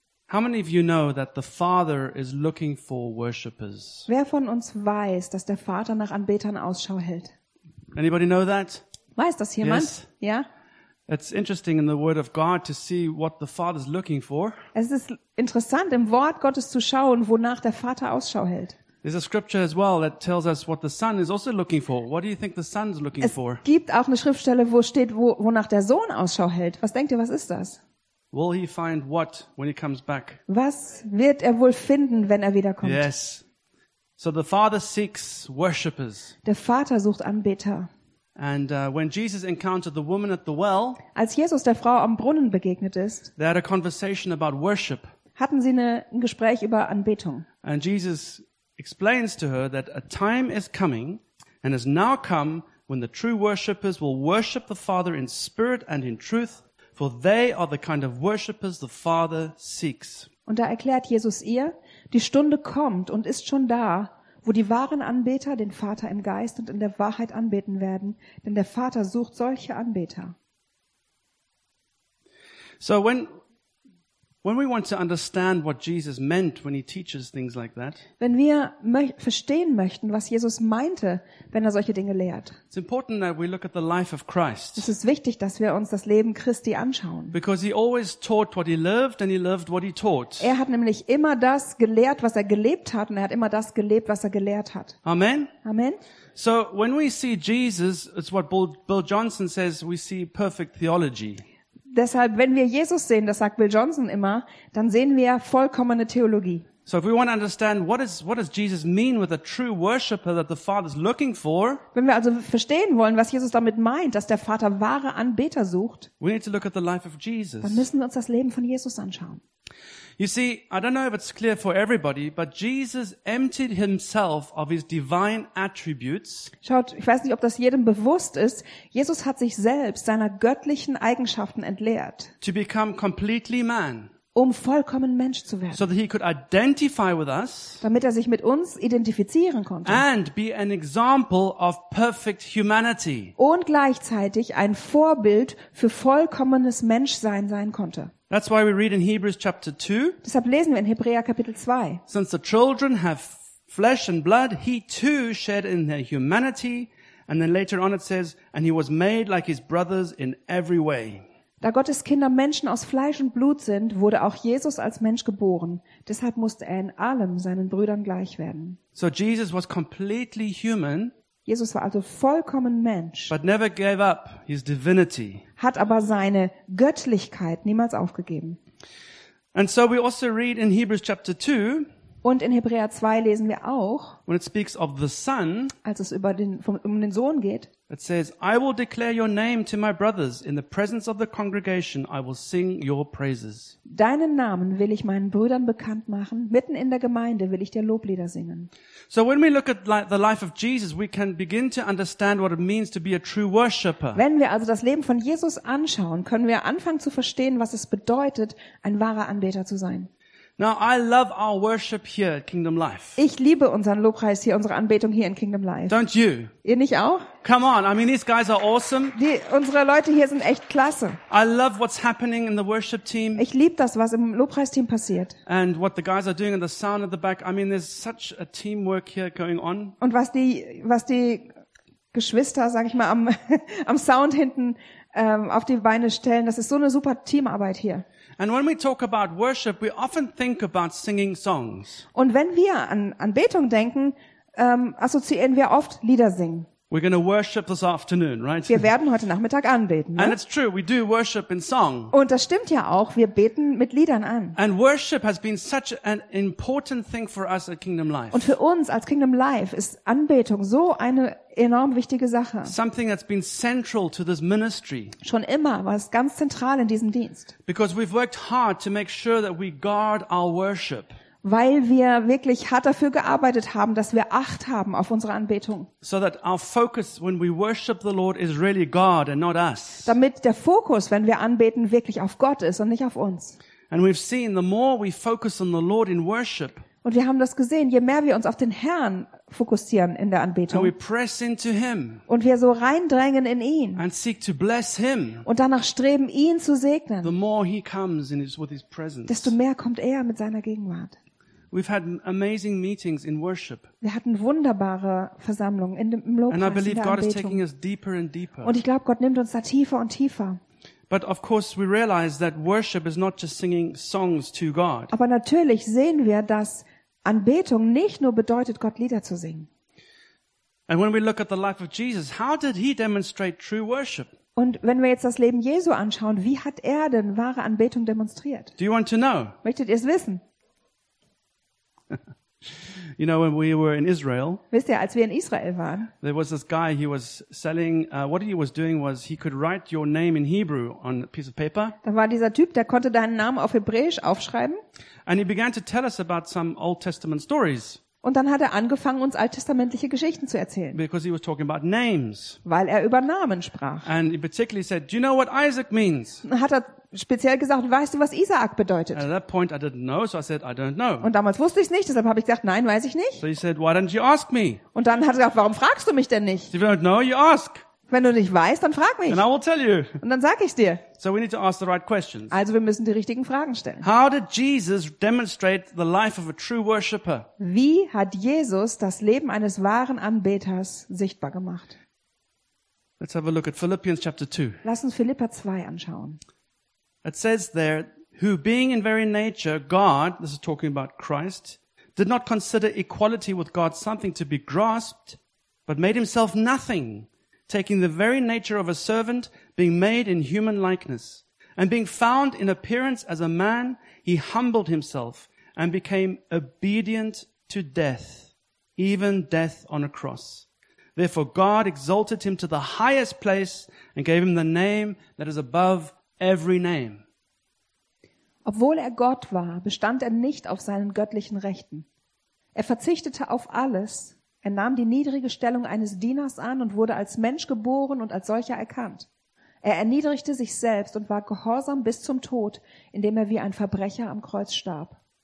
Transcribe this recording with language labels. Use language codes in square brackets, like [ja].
[en] How many of you know that the Father is looking for worshippers? [de] Wer von uns weiß, dass der Vater nach Anbetern Ausschau hält? [en] Anybody know that? [de] Weiß das jemand? [en] Yes. Ja. It's interesting in the Word of God to see what the Father is looking for. [de] Es ist interessant im Wort Gottes zu schauen, wonach der Vater Ausschau hält. [en] There's a scripture as well that tells us what the Son is also looking for. What do you think the Son's looking for? [de] Es gibt auch eine Schriftstelle, wo steht, wonach der Sohn Ausschau hält. Was denkt ihr, was ist das? [en] Will he find what when he comes back? [de] Was wird er wohl finden, wenn er wiederkommt? [en] Yes. So the Father seeks worshippers. [de] Der Vater sucht Anbeter. [en] And when Jesus encountered the woman at the well, [de] als Jesus der Frau am Brunnen begegnet ist, [en] they had a conversation about worship. [de] Hatten sie ein Gespräch über Anbetung. [en] And Jesus explains to her that a time is coming and has now come when the true worshippers will worship the Father in spirit and in truth. For they are the kind of worshippers the Father seeks. [de] Und da erklärt Jesus ihr, die Stunde kommt und ist schon da, wo die wahren Anbeter den Vater im Geist und in der Wahrheit anbeten werden, denn der Vater sucht solche Anbeter. [en] So when we want to understand what Jesus meant when he teaches things like that. [de] Wenn wir verstehen möchten, was Jesus meinte, wenn er solche Dinge lehrt. [en] It's important that we look at the life of Christ. [de] Es ist wichtig, dass wir uns das Leben Christi anschauen. [en] Because he always taught what he lived and he lived what he taught. [de] Er hat nämlich immer das gelehrt, was er gelebt hat und er hat immer das gelebt, was er gelehrt hat. [en] Amen. [de] Amen. [en] So when we see Jesus, it's what Bill Johnson says, we see perfect theology. [de] Deshalb, wenn wir Jesus sehen, das sagt Bill Johnson immer, dann sehen wir vollkommene Theologie. [en] So if we want to understand what does Jesus mean with a true worshipper that the Father is looking for? [de] Wenn wir also verstehen wollen, was Jesus damit meint, dass der Vater wahre Anbeter sucht, [en] we need to look at the life of Jesus. [de] Dann müssen wir uns das Leben von Jesus anschauen. [en] You see, I don't know if it's clear for everybody, but Jesus emptied himself of his divine attributes. [de] Schaut, ich weiß nicht, ob das jedem bewusst ist. Jesus hat sich selbst seiner göttlichen Eigenschaften entleert. [en] To become completely man. [de] Um vollkommen Mensch zu werden. [en] So that he could identify with us. [de] Damit er sich mit uns identifizieren konnte. [en] And be an example of perfect humanity. [de] Und gleichzeitig ein Vorbild für vollkommenes Menschsein sein konnte. [en] That's why we read in Hebrews chapter 2. [de] Deshalb lesen wir in Hebräer Kapitel 2. [en] Since the children have flesh and blood, he too shared in their humanity, and then later on it says, and he was made like his brothers in every way. [de] Da Gottes Kinder Menschen aus Fleisch und Blut sind, wurde auch Jesus als Mensch geboren. Deshalb musste er in allem seinen Brüdern gleich werden. [en] So Jesus was completely human. [de] Jesus war also vollkommen Mensch. [en] But never gave up his divinity. [de] Hat aber seine Göttlichkeit niemals aufgegeben. [en] And so we also read in Hebrews chapter 2. [de] Und in Hebräer 2 lesen wir auch, [en] when it speaks of the Son, [de] als es um den Sohn geht, [en] it says, I will declare your name to my brothers. In the presence of the congregation, I will sing your praises. [de] Deinen Namen will ich meinen Brüdern bekannt machen. Mitten in der Gemeinde will ich dir Loblieder singen. [en] So when we look at the life of Jesus, we can begin to understand what it means to be a true worshipper. [de] Wenn wir also das Leben von Jesus anschauen, können wir anfangen zu verstehen, was es bedeutet, ein wahrer Anbeter zu sein. [en] Now I love our worship here at Kingdom Life. [de] Ich liebe unseren Lobpreis hier, unsere Anbetung hier in Kingdom Life. [en] Don't you? [de] Ihr nicht auch? [en] Come on, I mean these guys are awesome. [de] Unsere Leute hier sind echt klasse. [en] I love what's happening in the worship team. [de] Ich liebe das, was im Lobpreisteam passiert. [en] And what the guys are doing in the sound at the back. I mean there's such a teamwork here going on. [de] Und was die Geschwister, sag ich mal, am Sound hinten auf die Beine stellen, das ist so eine super Teamarbeit hier. [en] And when we talk about worship, we often think about singing songs. [de] Und wenn wir an Anbetung denken, assoziieren wir oft Lieder singen. [en] We're going to worship this afternoon, right? [de] Wir werden heute Nachmittag anbeten. [en] And it's true, we do worship in song. [de] Und das stimmt ja auch, wir beten mit Liedern an. [en] And worship has been such an important thing for us at Kingdom Life. [de] Und für uns als Kingdom Life ist Anbetung so eine enorm wichtige Sache. [en] Something that's been central to this ministry. [de] Schon immer war es ganz zentral in diesem Dienst. [en] Because we've worked hard to make sure that we guard our worship. [de] Weil wir wirklich hart dafür gearbeitet haben, dass wir Acht haben auf unsere Anbetung. [en] So that our focus when we worship the Lord is really God and not us. [de] Damit der Fokus, wenn wir anbeten, wirklich auf Gott ist und nicht auf uns. [en] And we've seen the more we focus on the Lord in worship. [de] Und wir haben das gesehen, je mehr wir uns auf den Herrn fokussieren in der Anbetung. [en] And we press into him. [de] Und wir so reindrängen in ihn. [en] And seek to bless him. [de] Und danach streben, ihn zu segnen. [en] The more he comes in his, with his presence. [de] Desto mehr kommt er mit seiner Gegenwart. [en] We've had amazing meetings in worship. [de] Wir hatten wunderbare Versammlungen in dem Lobpreis, [en] and I believe God is taking us deeper and deeper. [de] Und ich glaube, Gott nimmt uns da tiefer und tiefer. [en] But of course we realize that worship is not just singing songs to God. [de] Aber natürlich sehen wir, dass Anbetung nicht nur bedeutet, Gott Lieder zu singen. [en] And when we look at the life of Jesus, how did he demonstrate true worship? [de] Und wenn wir jetzt das Leben Jesu anschauen, wie hat er denn wahre Anbetung demonstriert? [en] Do you want to know? [de] Möchtet ihr es wissen? [en] You know, when we were in Israel, [de] wisst ihr, als wir in Israel waren, [en] there was this guy, he was selling, what he was doing was, he could write your name in Hebrew on a piece of paper. [de] Da war dieser Typ, der konnte deinen Namen auf Hebräisch aufschreiben. [en] And he began to tell us about some Old Testament stories. [de] Und dann hat er angefangen, uns alttestamentliche Geschichten zu erzählen. [en] Because he was talking about names. [de] Weil er über Namen sprach. [en] And he particularly said, do you know what Isaac means? [de] Hat er speziell gesagt, weißt du, was Isaac bedeutet? [en] At that point I didn't know, so I said, I don't know. [de] Und damals wusste ich es nicht, deshalb habe ich gesagt, nein, weiß ich nicht. [en] So he said, why don't you ask me? [de] Und dann hat er gesagt, warum fragst du mich denn nicht? [en] If you don't know, you ask. [de] Wenn du nicht weißt, dann frag mich. [en] And I will tell you. [de] Und dann sage ich dir. [en] So we need to ask the right questions. [de] Also wir müssen die richtigen Fragen stellen. [en] How did Jesus demonstrate the life of a true worshipper? [de] Wie hat Jesus das Leben eines wahren Anbeters sichtbar gemacht? [en] Let's have a look at Philippians chapter 2. [de] Lass uns Philippa 2 anschauen. [en] It says there, who being in very nature God, this is talking about Christ, did not consider equality with God something to be grasped, but made himself nothing, taking the very nature of a servant, being made in human likeness. And being found in appearance as a man, he humbled himself and became obedient to death, even death on a cross. Therefore God exalted him to the highest place and gave him the name that is above every name. [de] Obwohl er Gott war, bestand er nicht auf seinen göttlichen Rechten. Er verzichtete auf alles, er nahm die niedrige Stellung eines Dieners an und wurde als Mensch geboren und als solcher erkannt. Er erniedrigte sich selbst und war gehorsam bis zum Tod, indem er wie ein Verbrecher am Kreuz starb.